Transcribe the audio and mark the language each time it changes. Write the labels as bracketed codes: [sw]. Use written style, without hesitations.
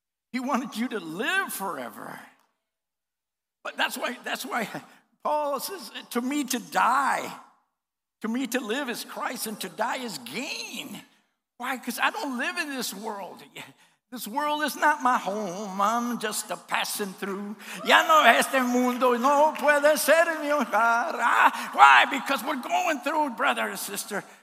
[en] He wanted you to live forever. But that's why Paul says, to me to die, to me to live is Christ, and to die is gain. Why? Because I don't live in this world. This world is not my home. I'm just a passing through. [es] Ya no este mundo no puede ser mi hogar. [en] Why? Because we're going through, brother and sister.